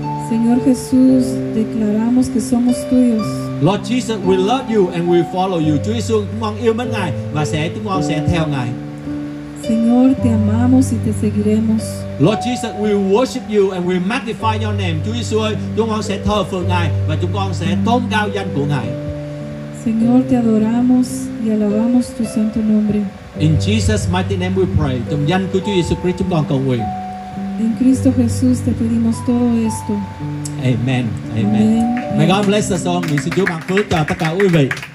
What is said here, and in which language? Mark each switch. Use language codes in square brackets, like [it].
[es] Señor Jesús, declaramos que somos tuyos. [en] Lord Jesus, we love you and we follow you. [vi] Chúa Jesus, chúng con yêu mến Ngài và chúng con sẽ theo Ngài. [es] Señor, te amamos y te seguiremos. [en] Lord Jesus, we worship you and we magnify your name. [vi] Chúa Jesus ơi, chúng con sẽ thờ phượng Ngài và chúng con sẽ tôn cao danh của Ngài. [es] Señor, te adoramos y alabamos tu santo nombre. [en] In Jesus mighty name we pray. [vi] Trong danh của Chúa Jesus Christ chúng con cầu nguyện. [es] En Cristo Jesús te pedimos todo esto. [en] Amen. Amen. Amen. May God bless us all. [vi] Nguyện xin Chúa ban phước cho tất cả quý vị.